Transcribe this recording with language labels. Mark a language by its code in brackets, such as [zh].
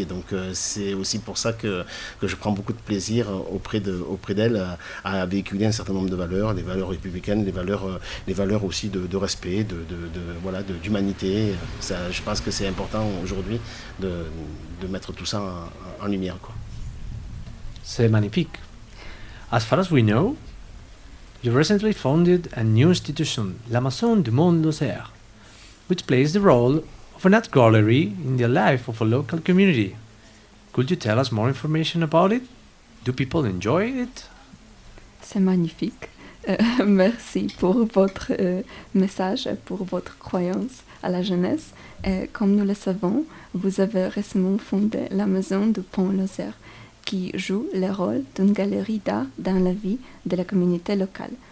[fr] Et donc c'est aussi pour ça que je prends beaucoup de plaisir auprès d'elle à véhiculer un certain nombre de valeurs, les valeurs républicaines, les valeurs aussi de respect, de d'humanité. Ça, je pense que c'est important aujourd'hui de mettre tout ça en lumière, quoi. C'est magnifique. [en] As far as we know, you recently founded a new institution, l'Amazon du Monde d'Auxerre, which plays the role of an art gallery in the life of a local community. Could you tell us more information about it? Do people enjoy it? [fr] C'est magnifique. Merci pour votre message et pour votre croyance à la jeunesse. Et comme nous le savons, vous avez récemment fondé la Maison du Pont-Lozère, qui joue le rôle d'une galerie d'art dans la vie de la communauté locale.